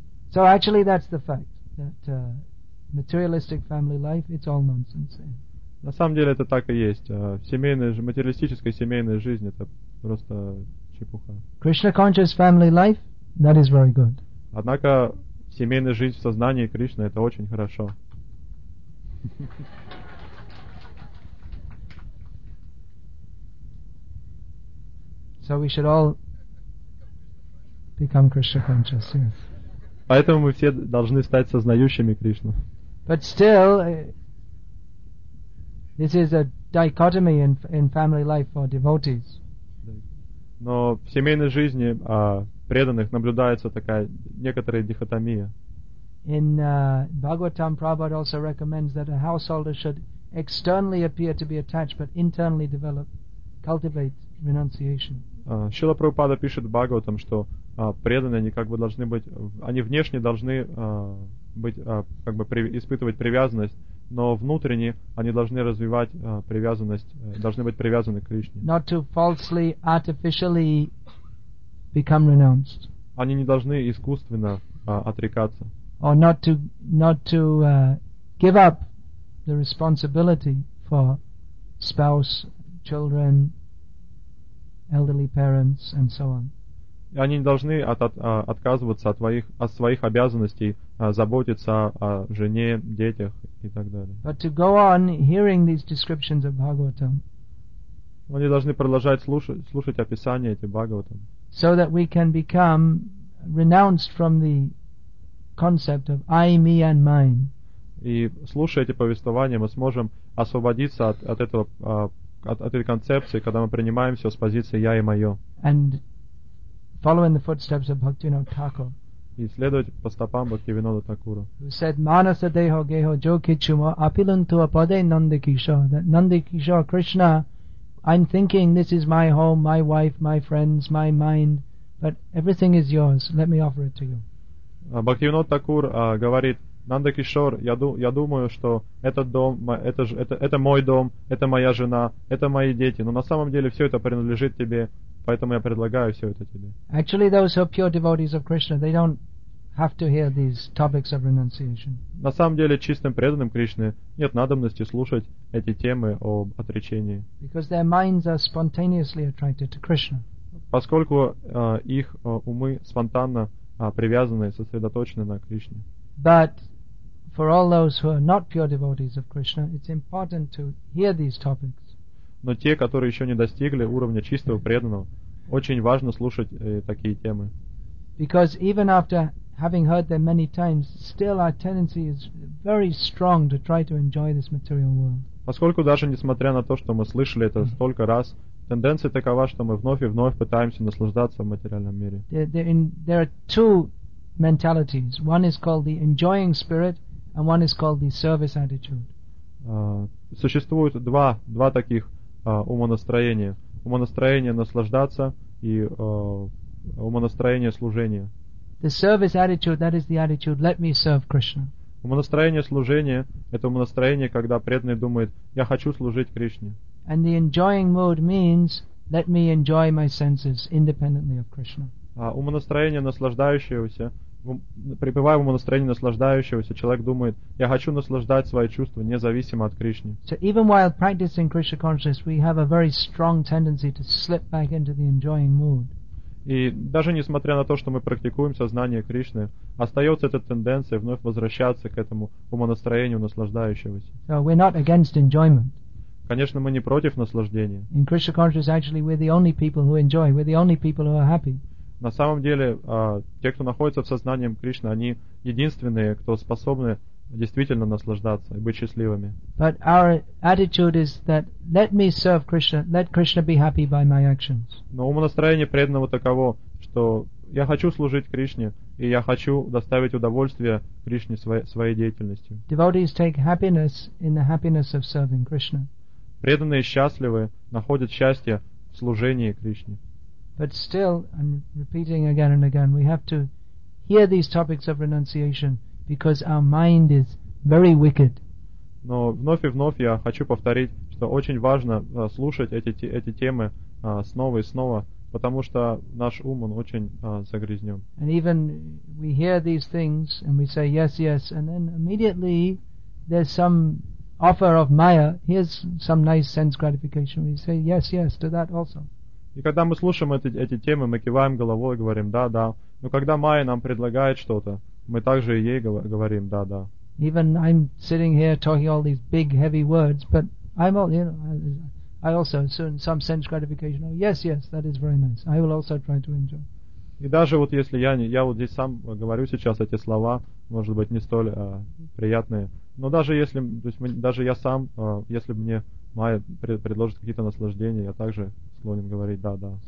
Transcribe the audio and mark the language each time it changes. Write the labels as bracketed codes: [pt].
[en] So actually that's the fact that materialistic family life, it's all nonsense. [ru] На самом деле это так и есть. Семейная, материалистическая семейная жизнь — это просто чепуха. [en] Krishna conscious family life, that is very good. [ru] Однако семейная жизнь в сознании Кришны — это очень хорошо. [en] So we should all become Krishna conscious. Yes. [ru] Поэтому мы все должны стать сознающими Кришну. [en] But still, this is a dichotomy in family life for devotees. [ru] Но в семейной жизни преданных наблюдается такая некоторая дихотомия. [en] In Bhagavatam, Prabhupada also recommends that a householder should externally appear to be attached, but internally develop, cultivate renunciation. [ru] Шрила Прабхупада пишет в Бхагаватам, что преданные, они как бы должны быть, они внешне должны испытывать привязанность, но внутренне они должны развивать привязанность, должны быть привязаны к Кришне. [en] Not to falsely, artificially become renounced. [ru] Они не должны искусственно отрекаться. [en] Or not to give up the responsibility for spouse, children, elderly parents, and so on. [ru] Они не должны отказываться от своих обязанностей заботиться о жене, детях и так далее. [en] But to go on hearing these descriptions of Bhagavatam. [ru] Они должны продолжать слушать описания эти Бхагаватам. [en] So that we can become renounced from the concept of I, me, and mine. [ru] и слушая эти повествования, мы сможем освободиться от этого, от этой концепции, когда мы принимаем все с позиции «я» и «моё». [en] And following the footsteps of Bhaktivinoda Thakur. [ru] И следовать по стопам Бхактивинода Такура. [en] Who said, [bn] "Manasa deho geho jo kichuma apilantu apade Nandakisho." [en] That Nandakisho Krishna, I'm thinking this is my home, my wife, my friends, my mind, but everything is yours. Let me offer it to you. [ru] Бхактивинода Такур говорит: Нандакишор, я думаю, что этот дом, это мой дом, это моя жена, это мои дети, но на самом деле все это принадлежит тебе, поэтому я предлагаю все это тебе. [en] Actually, those who are pure devotees of Krishna, they don't have to hear these topics of renunciation. [ru] На самом деле, чистым преданным Кришны нет надобности слушать эти темы об отречении. [en] Because their minds are spontaneously attracted to Krishna. [ru] Поскольку их умы спонтанно привязаны, сосредоточены на Кришне. [en] But for all those who are not pure devotees of Krishna, it's important to hear these topics. [ru] Но те, которые еще не достигли уровня чистого преданного, очень важно слушать такие темы. [en] Because even after having heard them many times, still our tendency is very strong to try to enjoy this material world. [ru] Поскольку даже несмотря на то, что мы слышали это столько раз, тенденция такова, что мы вновь и вновь пытаемся наслаждаться в материальном мире. [en] There are two mentalities. One is called the enjoying spirit, and one is called the service attitude. [ru] Существует два таких умонастроения. Умонастроение наслаждаться и умонастроение служения. [en] The service attitude, that is the attitude, let me serve Krishna. [ru] Умонастроение служения — это умонастроение, когда преданный думает, я хочу служить Кришне. [en] And the enjoying mood means, let me enjoy my senses independently of Krishna. [ru] Умонастроение наслаждающегося, пребывая в умонастроении наслаждающегося, человек думает, я хочу наслаждать свои чувства независимо от Кришны. [en] So even while practicing Krishna consciousness, we have a very strong tendency to slip back into the enjoying mood. [ru] И даже несмотря на то, что мы практикуем сознание Кришны, остается эта тенденция вновь возвращаться к этому умонастроению наслаждающегося. [en] So we're not against enjoyment. [ru] Конечно, мы не против наслаждения. [en] In Krishna consciousness, actually, we're the only people who enjoy. We're the only people who are happy. [ru] На самом деле, те, кто находится в сознании Кришны, они единственные, кто способны действительно наслаждаться и быть счастливыми. [en] But our attitude is that let me serve Krishna, let Krishna be happy by my actions. [ru] Но умонастроение преданного таково, что я хочу служить Кришне, и я хочу доставить удовольствие Кришне своей деятельностью. [en] Devotees take happiness in the happiness of serving Krishna. [ru] Преданные счастливы находят счастье в служении Кришне. [en] But still, I'm repeating again and again, we have to hear these topics of renunciation because our mind is very wicked. [ru] Но вновь и вновь я хочу повторить, что очень важно слушать эти темы снова и снова, потому что наш ум, он очень загрязнен. [en] And even we hear these things and we say yes, yes, and then immediately there's some offer of Maya, here's some nice sense gratification, we say yes, yes to that also. [ru] И когда мы слушаем эти темы, мы киваем головой и говорим «да, да». Но когда Майя нам предлагает что-то, мы также и ей говорим «да, да». [en] Even I'm sitting here talking all these big, heavy words, but I'm all, you know, I also assume some sense gratification. Yes, yes, that is very nice. I will also try to enjoy. [ru] И даже вот если я вот здесь сам говорю сейчас эти слова, может быть, не столь приятные, но даже если, то есть даже я сам, если мне Майя предложит какие-то наслаждения, я также склонен говорить «да, да».